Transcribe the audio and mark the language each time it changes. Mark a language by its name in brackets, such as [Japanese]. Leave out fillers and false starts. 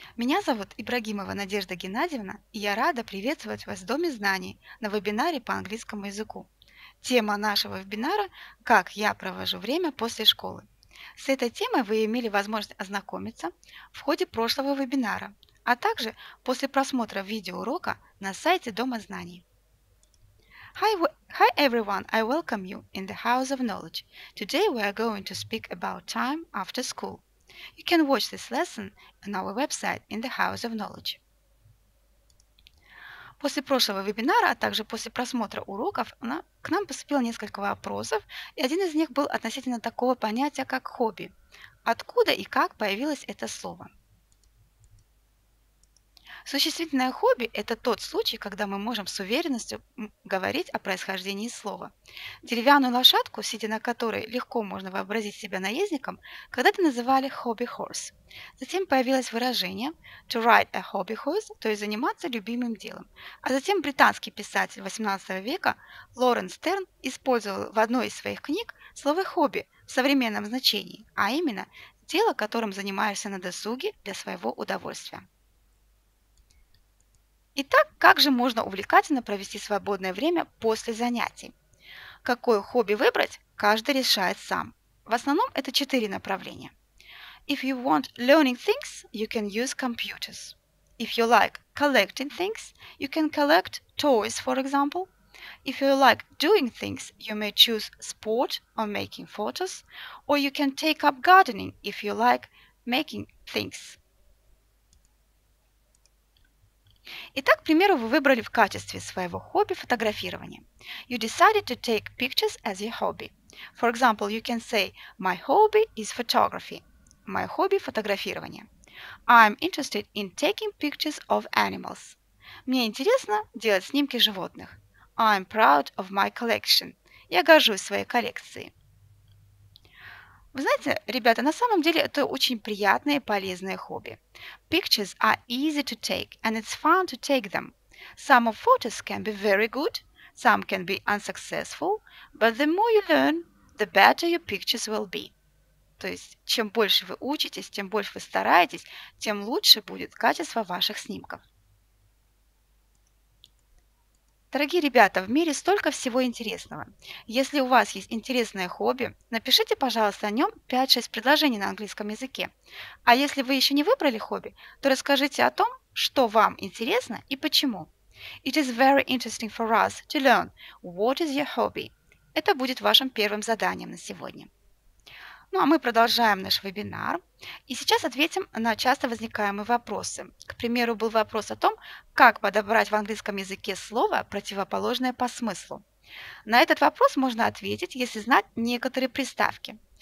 [Russian] Меня зовут Ибрагимова Надежда Геннадьевна, и я рада приветствовать вас в Доме знаний на вебинаре по английскому языку. Тема нашего вебинара – «Как я провожу время после школы». С этой темой вы имели возможность ознакомиться в ходе прошлого вебинара, а также после просмотра видеоурока на сайте Дома знаний. [English] Hi everyone, I welcome you in the House of Knowledge. Today we are going to speak about time after school. You can watch this lesson on our website in the House of Knowledge. [Russian] После прошлого вебинара, а также после просмотра уроков, к нам поступило несколько вопросов, и один из них был относительно такого понятия, как хобби. Откуда и как появилось это слово? Существительное хобби – это тот случай, когда мы можем с уверенностью говорить о происхождении слова. Деревянную лошадку, сидя на которой легко можно вообразить себя наездником, когда-то называли hobby horse. Затем появилось выражение [English] to ride a hobby horse, [Russian] то есть заниматься любимым делом. А затем британский писатель 18 века Лоуренс Стерн использовал в одной из своих книг слово «хобби» в современном значении, а именно «дело, которым занимаешься на досуге для своего удовольствия». Итак, как же можно увлекательно провести свободное время после занятий? Какое хобби выбрать, каждый решает сам. В основном это четыре направления. [English] If you want learning things, you can use computers. If you like collecting things, you can collect toys, for example. If you like doing things, you may choose sport or making photos. Or you can take up gardening, if you like making things. [Russian] Итак, к примеру, вы выбрали в качестве своего хобби фотографирование. [English] You decided to take pictures as your hobby. For example, you can say, my hobby is photography. My hobby – фотографирование. I'm interested in taking pictures of animals. [Russian] Мне интересно делать снимки животных. [English] I'm proud of my collection. [Russian] Я горжусь своей коллекцией. Вы знаете, ребята, на самом деле это очень приятное и полезное хобби. [English] Pictures are easy to take, and it's fun to take them. Some of photos can be very good, some can be unsuccessful, but the more you learn, the better your pictures will be. [Russian] То есть, чем больше вы учитесь, тем больше вы стараетесь, тем лучше будет качество ваших снимков. Дорогие ребята, в мире столько всего интересного. Если у вас есть интересное хобби, напишите, пожалуйста, о нем 5-6 предложений на английском языке. А если вы еще не выбрали хобби, то расскажите о том, что вам интересно и почему. [English] It is very interesting for us to learn what is your hobby. [Russian] Это будет вашим первым заданием на сегодня. Ну, а мы продолжаем наш вебинар и сейчас ответим на часто возникаемые вопросы. К примеру, был вопрос о том, как подобрать в английском языке слово, противоположное по смыслу. На этот вопрос можно ответить, если знать некоторые приставки.